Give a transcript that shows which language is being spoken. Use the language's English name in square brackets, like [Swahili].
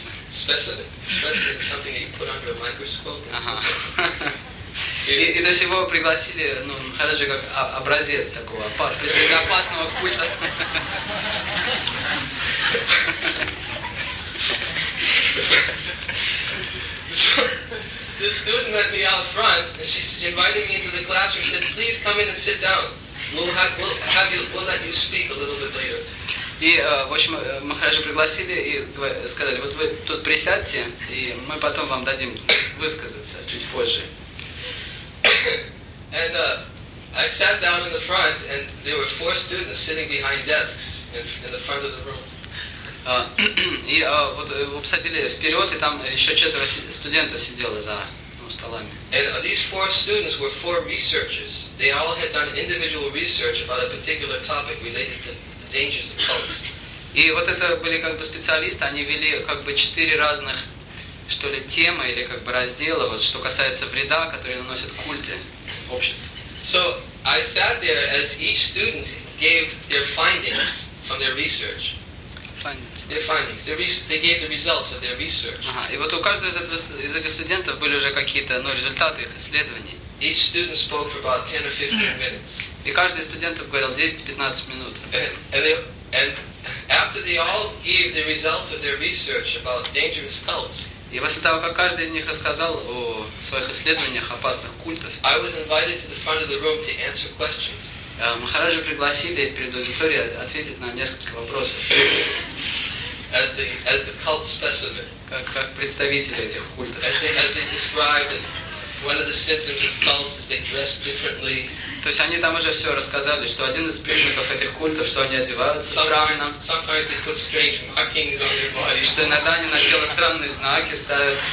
[English] Specimen is something that you put under a microscope. [Russian] И до сего пригласили, ну, Махараджа как образец такого опасного культа. [English] The student met me out front, and she invited me into the classroom. Said, "Please come in and sit down. We'll let you speak a little bit later." [Russian] И, в общем, Махараджа пригласили и сказали, вот вы тут присядьте, и мы потом вам дадим высказаться чуть позже. [English] And I sat down in the front, and there were four students sitting behind desks in the front of the room. [Russian] И вот вы посадили вперед, и там еще четверо студентов сидело за столами. [English] And these four students were four researchers. They all had done individual research about a particular topic related to dangers of cults. [Russian] И вот это были как бы специалисты, они вели как бы четыре разных, что ли, темы или как бы раздела, вот что касается вреда, который наносят культы обществу. [English] So I sat there as each student gave their findings from their research. findings. Their findings. They gave the results of their research. [Russian] Ага. И вот у каждого из этих студентов были уже какие-то, ну, результаты их исследований. [English] Each student spoke for about 10 or 15 minutes. [Russian] И каждый из студентов говорил 10-15 минут. [English] And after they all gave the results of their research about dangerous cults. [Russian] И после того, как каждый из них рассказал о своих исследованиях опасных культов, [English] I was invited to the front of the room to answer questions. [Russian] Махараджа пригласили перед аудиторией ответить на несколько вопросов. [English] As the cult specimen. [Russian] Как представитель этих культов. [English] As they described it. One of the symptoms of cults is they dress differently. [Russian] То есть они там уже все рассказали, что один из признаков этих культов, что они одеваются странно. Sometimes they put strange markings on their body. Что иногда они на тело странные знаки ставят.